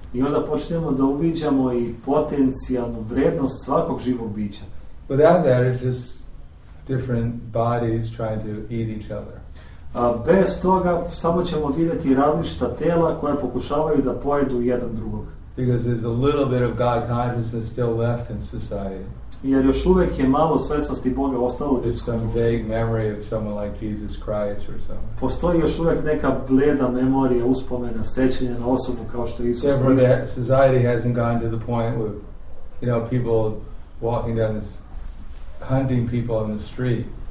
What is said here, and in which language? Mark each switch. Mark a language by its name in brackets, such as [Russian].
[Serbian] I onda počnemo da uviđamo i potencijalnu vrednost svakog živog bića. [English] Without that, it's just different bodies trying to eat each other. [Serbian] Bez toga, samo ćemo vidjeti različita tela koja pokušavaju da pojedu jedan drugog. [English] Because there's a little bit of God consciousness still left in society. [Serbian] Jer još uvek je malo svesnosti Boga ostalo. [English] There's some vague memory of someone like Jesus Christ or something. [Serbian] Postoji još uvek neka bleda memorija, uspomena, sećanja na osobu kao što je Isus Hrist. [English] Therefore, that society hasn't gone to the point where, you know, people walking down this, hunting people on the street.